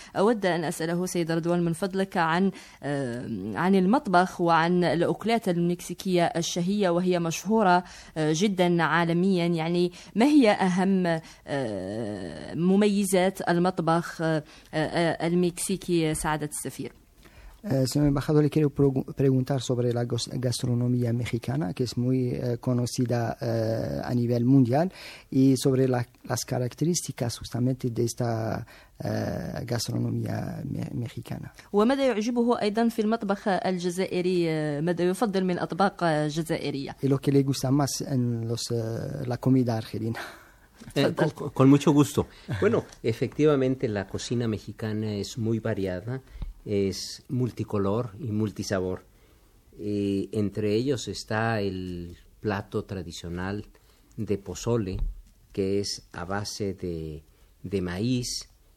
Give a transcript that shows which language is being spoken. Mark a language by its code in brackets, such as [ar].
[ar] أود أن أسأله سيد رضوان من فضلك عن المطبخ وعن الأكلات المكسيكية الشهية وهي مشهورة جدا عالميا، يعني ما هي أهم مميزات المطبخ المكسيكي سعادة السفير؟ [es] Se me embajador le quiero preguntar sobre la gastronomía mexicana, que es muy conocida a nivel mundial, y sobre las características justamente de esta gastronomía mexicana. [ar] وماذا يعجبه أيضا في المطبخ الجزائري؟ ماذا يفضل من أطباق جزائرية؟ [es] Y lo que le gusta más en la comida argelina. Con mucho gusto. Bueno, efectivamente la cocina mexicana es muy variada. Es multicolor y multisabor. Entre ellos está el plato tradicional de pozole, que es a base de maíz.